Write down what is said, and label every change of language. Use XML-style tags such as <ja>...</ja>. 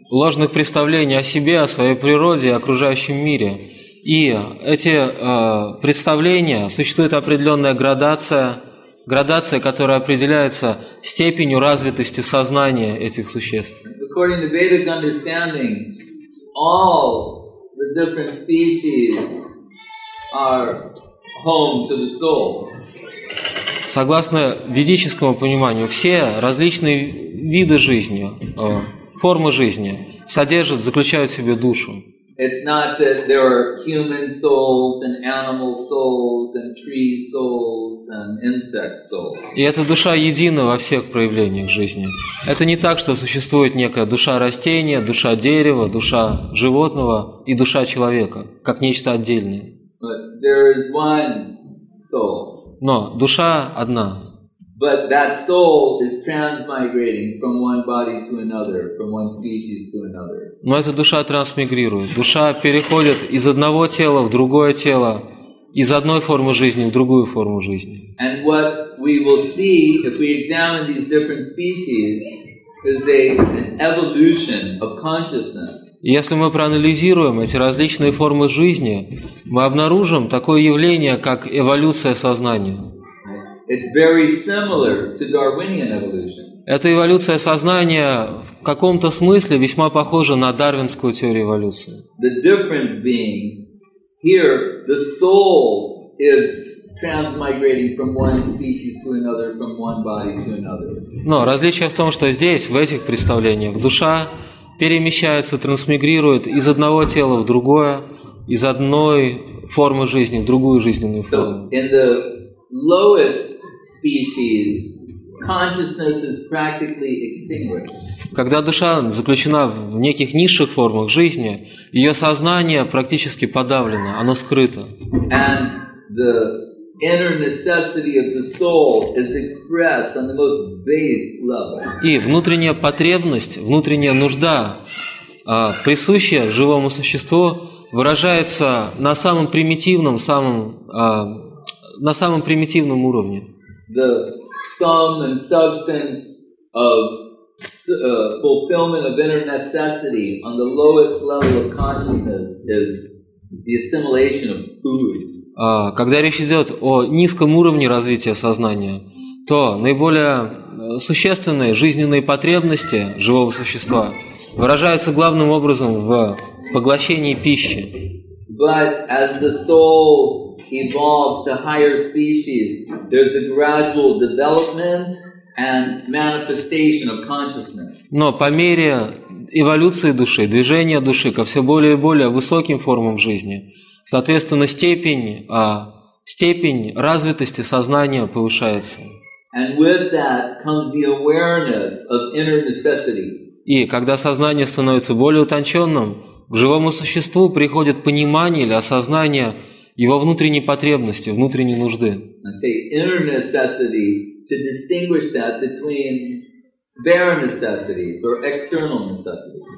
<ru>Ложных представлений о себе, о своей природе, о окружающем мире. И эти представления, существует определенная градация, которая определяется степенью развитости сознания этих существ.</ru> <en>According to Vedic understanding, all the different species are home to the soul.</en> <ru>Согласно ведическому пониманию, все различные виды жизни, формы жизни содержат, заключают в себе душу.</ru> <en>It's not that there are human souls and animal souls and tree souls and insect souls.</en> <ru>И эта душа едина во всех проявлениях жизни. Это не так, что существует некая душа растения, душа дерева, душа животного и душа человека, как нечто отдельное.</ru> <en>But there is one soul.</en> <ru>Но душа одна.</ru> <en>But that soul is transmigrating from one body to another, from one species to another.</en> <ru>Но эта душа трансмигрирует. Душа переходит из одного тела в другое тело, из одной формы жизни в другую форму жизни.</ru> <en>And what we will see if we examine these different species is an evolution of consciousness.</en> <ru>Если мы проанализируем эти различные формы жизни, мы обнаружим такое явление, как эволюция сознания.</ru> <en>It's very similar to Darwinian evolution.</en> <ru>Эта эволюция сознания в каком-то смысле весьма похожа на дарвинскую теорию эволюции.</ru> <en>The difference being here the soul is transmigrating from one species to another, from one body to another.</en> <ru>Но различие в том, что здесь в этих представлениях душа перемещается, трансмигрирует из одного тела в другое, из одной формы жизни в другую жизненную форму.</ru> <en>So in the lowest species, consciousness is practically extinguished.</en> <ru>Когда душа заключена в неких низших формах жизни, ее сознание практически подавлено, оно скрыто.</ru> <en>And the inner necessity of the soul is expressed on the most base level.</en> <ru>И внутренняя потребность, внутренняя нужда, присущая живому существу, выражается на самом примитивном, самом примитивном уровне.</ru> <en>The sum and substance of fulfillment of inner necessity on the lowest level of consciousness is the assimilation of food.</en> <ru>Когда речь идет о низком уровне развития сознания, то наиболее существенные жизненные потребности живого существа выражаются главным образом в поглощении пищи.</ru> <en>But as the soul evolves to higher species, there's a gradual development and manifestation of consciousness.</en> <ru>Но по мере эволюции души, движения души ко все более и более высоким формам жизни, соответственно, степень развитости сознания повышается.</ru> <en>And with that comes the awareness of inner necessity.</en> <ru>И когда сознание становится более утонченным, к живому существу приходит понимание или осознание его внутренней потребности, внутренней нужды.</ru> <en>Inner necessity to distinguish that between bare necessities or external necessities.</en>